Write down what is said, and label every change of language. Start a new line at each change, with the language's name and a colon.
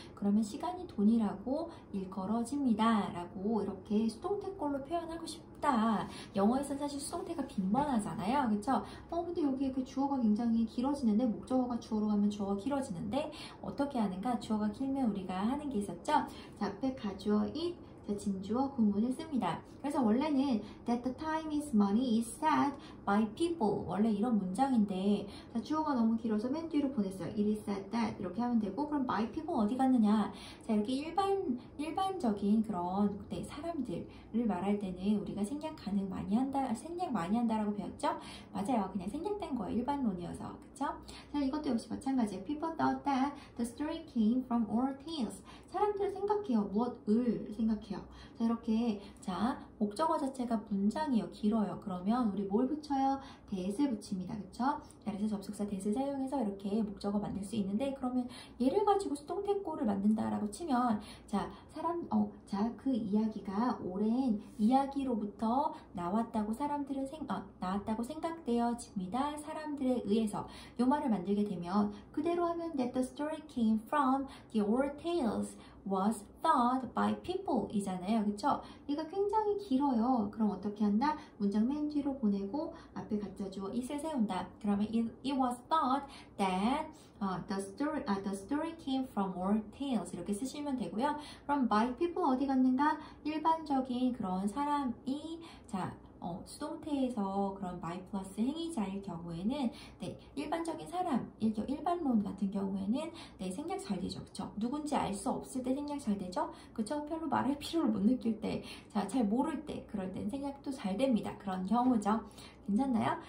Korean: 그러면 시간이 돈이라고 일컬어집니다. 라고 이렇게 수동태 걸로 표현하고 싶다. 영어에서는 사실 수동태가 빈번하잖아요. 그쵸? 근데 여기 이렇게 주어가 굉장히 길어지는데, 목적어가 주어로 가면 주어가 길어지는데, 어떻게 하는가? 주어가 길면 우리가 하는 게 있었죠? 자, 앞에 가주어 it, 자, 진주어 구문을 씁니다. 그래서 원래는
English: that the time is money is said by people.
Korean: 원래 이런 문장인데, 자, 주어가 너무 길어서 맨 뒤로 보냈어요.
English: It is said that.
Korean: 이렇게 하면 되고, 그럼 by people 어디 갔느냐? 자, 이렇게 일반적인 그런 네, 사람들을 말할 때는 우리가 생략 가능 많이 한다, 생략 많이 한다라고 배웠죠? 맞아요. 그냥 생략된 거예요. 일반론이어서. 그쵸? 자, 이것도 역시 마찬가지예요.
English: People thought that the story came from old tales.
Korean: 사람들은 생각해요. 무엇을 생각해요? 자, 이렇게. 자, 목적어 자체가 문장이에요. 길어요. 그러면 우리 뭘 붙여요? that을 붙입니다. 그쵸? 그래서 접속사 that을 사용해서 이렇게 목적어 만들 수 있는데, 그러면 얘를 가지고 수동태꼴을 만든다라고 치면, 자, 사람, 자, 그 이야기가 오랜 이야기로부터 나왔다고 사람들은 나왔다고 생각되어집니다. 사람들에 의해서. 요 말을 만들게 되면, 그대로 하면
English: that the story came from the old tales. was thought by people
Korean: 길잖아요. 그쵸? 얘가 굉장히 길어요. 그럼 어떻게 한다? 문장 맨 뒤로 보내고 앞에 갖다 주어 it을 세운다. 그러면
English: it was thought that the story came from old tales.
Korean: 이렇게 쓰시면 되고요. 그럼 my people 어디 갔는가? 일반적인 그런 사람이 자, 수동태에서 그런 my plus 행위자일 경우에는 네, 일반적인 사람, 일반론 같은 경우에는 네, 생략 잘 되죠. 그쵸? 누군지 알 수 없을 때 생략 잘 되죠. 그쵸? 별로 말할 필요를 못 느낄 때, 자, 잘 모를 때 그럴 땐 생략도 잘 됩니다. 그런 경우죠. 괜찮나요?